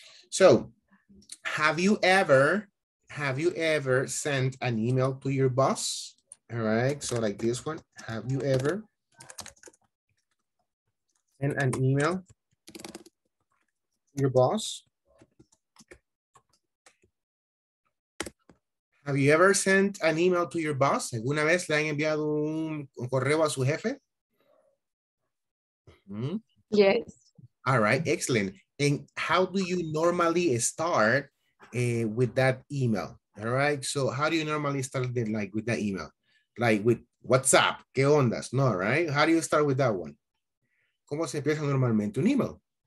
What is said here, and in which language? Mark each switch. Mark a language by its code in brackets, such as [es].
[en] So have you ever sent an email to your boss? All right, so like this one, have you ever sent an email to your boss? Have you ever sent an email to your boss? [es] ¿Alguna vez le han enviado un correo a su jefe? [en] Mm-hmm. Yes. All right, excellent. And how do you normally start with that email? All right, so how do you normally start the, like with that email? Like with WhatsApp, [es] ¿qué ondas? [en] No, right? How do you start with that one? [es] ¿Cómo se empieza normalmente un email?